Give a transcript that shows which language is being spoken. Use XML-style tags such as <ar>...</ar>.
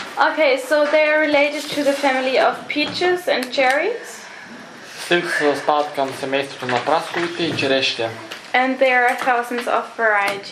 <en>Okay, so they are related to the family of peaches and cherries.</en> <bg>Сливките спадат към семейството на прасковите и черешите.</bg> <en>And there are thousands of varieties.</en>